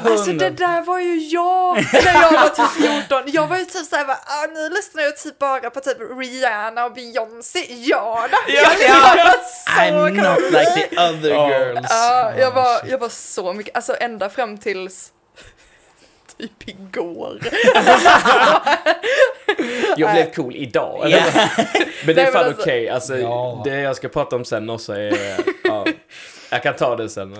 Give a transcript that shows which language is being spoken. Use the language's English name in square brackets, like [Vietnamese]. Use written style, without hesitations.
[Swedish] Alltså det där var ju jag när jag var typ 14. Jag var ju typ så här nu lyssnar jag typ bara på typ Rihanna och Beyoncé. Ja, då. [English] I'm not like the other girls. [Swedish] Jag var så mycket, alltså ända fram tills typ igår. Jag blev cool idag. Yeah. Eller? Men det är fan okej. Alltså, okay. Det jag ska prata om sen också är... jag kan ta det sen.